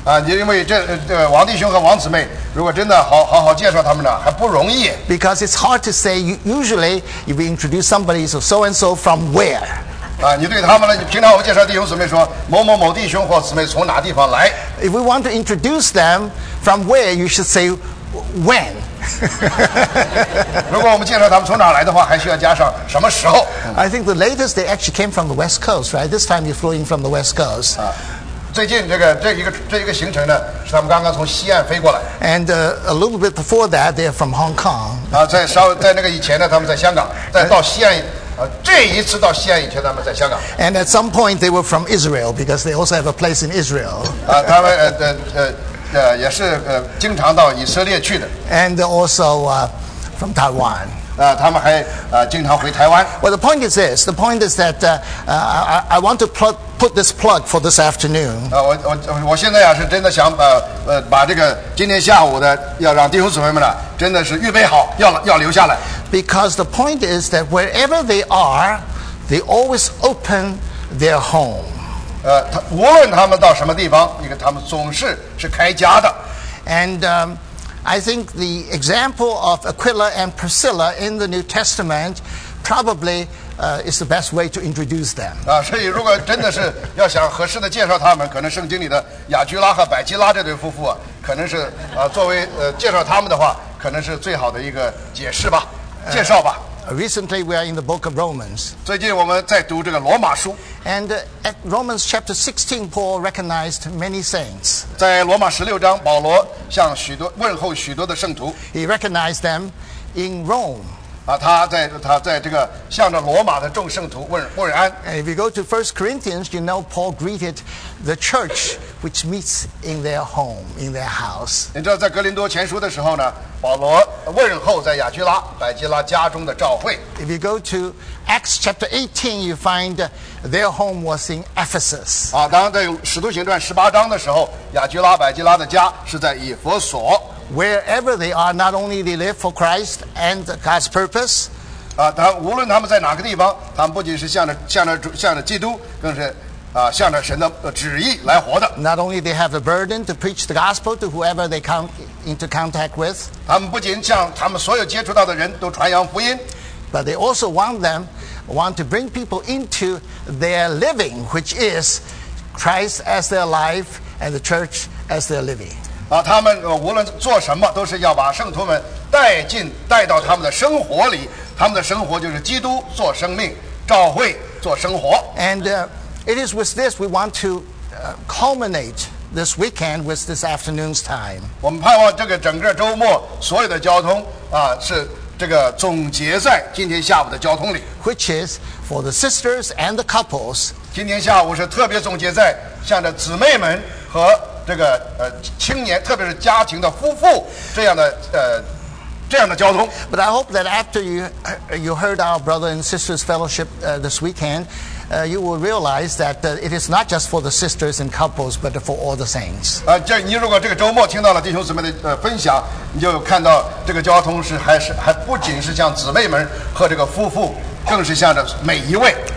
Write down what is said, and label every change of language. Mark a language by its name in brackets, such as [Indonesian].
[Chinese] 因为这王弟兄和王姊妹，如果真的好好介绍他们呢，还不容易。 [English] Because it's hard to say. Usually, if we introduce somebody, so and so from where. [Chinese] 你对他们呢？你平常我介绍弟兄姊妹说某某某弟兄或姊妹从哪地方来 [English] ？If we want to introduce them from where, you should say when. [Chinese] 如果我们介绍他们从哪来的话，还需要加上什么时候 [English] ？I think the latest they actually came from the West Coast, right? This time you're flying from the West Coast. [Chinese] 最近这一个行程呢，是他们刚刚从西岸飞过来。 [English] And a little bit before that, they're from Hong Kong. [Chinese] 在那个以前呢，他们在香港，再到西岸。这一次到西安以前，他们在香港。 [English] And at some point they were from Israel because they also have a place in Israel. [Chinese] 他们也是经常到以色列去的。 [English] And also from Taiwan. [Chinese] 他们还经常回台湾。 [English] Well, the point is this. The point is that I want to put this plug for this afternoon. [Chinese] 我现在呀是真的想把这个今天下午的要让弟兄姊妹们呢真的是预备好要留下来。 [English] Because the point is that wherever they are, they always open their home. [Chinese] 无论他们到什么地方，因为他们总是是开家的。 [English] And I think the example of Aquila and Priscilla in the New Testament probably is the best way to introduce them. [Chinese] 所以如果真的是要想合适的介绍他们，可能圣经里的亚居拉和百基拉这对夫妇啊，可能是作为介绍他们的话，可能是最好的一个解释吧，介绍吧。 [English] Recently, we are in the book of Romans. [Chinese] 最近我们在读这个罗马书。 [English] And at Romans chapter 16, Paul recognized many saints. [Chinese] 在罗马十六章，保罗向许多问候许多的圣徒。 [English] He recognized them in Rome. [Chinese] 他在这个向着罗马的众圣徒问安。 [English] And if you go to 1 Corinthians, you know Paul greeted the church which meets in their home, in their house. [Chinese] 你知道在格林多前书的时候呢？保罗问候在亚居拉、百基拉家中的召会。 [English] If you go to Acts chapter 18, you find their home was in Ephesus. [Chinese] 当在《使徒行传》十八章的时候，亚居拉、百基拉的家是在以弗所。 [English] Wherever they are, not only they live for Christ and God's purpose. [Chinese] 无论他们在哪个地方，他们不仅是向着基督，更是。向着神的旨意来活的。 [English] Not only they have a burden to preach the gospel to whoever they come into contact with. [Chinese] 他们不仅向他们所有接触到的人都传扬福音。 [English] But they also want to bring people into their living, which is Christ as their life and the church as their living. [Chinese] 他们无论做什么都是要把圣徒们带到他们的生活里。他们的生活就是基督做生命，召会做生活。 [English] And it is with this we want to culminate this weekend with this afternoon's time. [Chinese] 我们盼望这个整个周末所有的交通是这个总结在今天下午的交通里。 [English] Which is for the sisters and the couples. [Chinese] 今天下午是特别总结在向着姊妹们和这个青年，特别是家庭的夫妇这样的交通。 [English] But I hope that after you heard our brother and sisters fellowship this weekend, you will realize that it is not just for the sisters and couples, but for all the saints. [Chinese] 你如果这个周末听到了弟兄姊妹的分享，你就看到这个交通还不仅是向姊妹们和这个夫妇，更是向着每一位。